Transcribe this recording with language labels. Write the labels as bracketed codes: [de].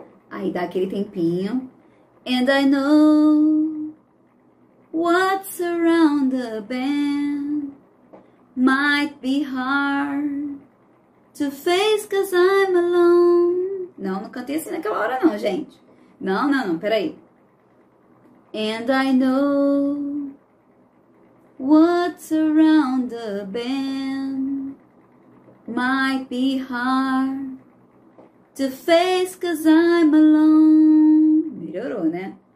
[pt] Aí dá aquele tempinho. [en] And I know what's around the bend might be hard to face, cause I'm alone. [pt] Não cantei assim naquela hora não, gente. Não, peraí. [en] And I know what's around the bend might be hard to face, cause I'm alone. [pt] Melhorou, né?